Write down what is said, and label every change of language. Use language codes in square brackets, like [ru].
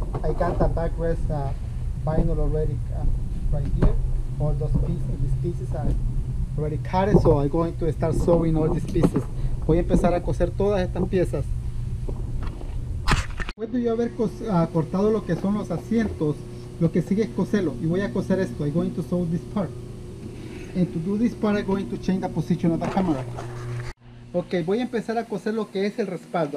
[en] I got the backrest vinyl already right here. All those pieces, these pieces are already cut, so I'm going to start sewing all these pieces. [es] Voy a empezar a coser todas estas piezas. Después de yo haber cortado lo que son los asientos, lo que sigue es coserlo, y voy a coser esto. [en] I'm going to sew this part. And to do this part, I'm going to change the position of the camera. [es] Ok, voy a empezar a coser lo que es el respaldo.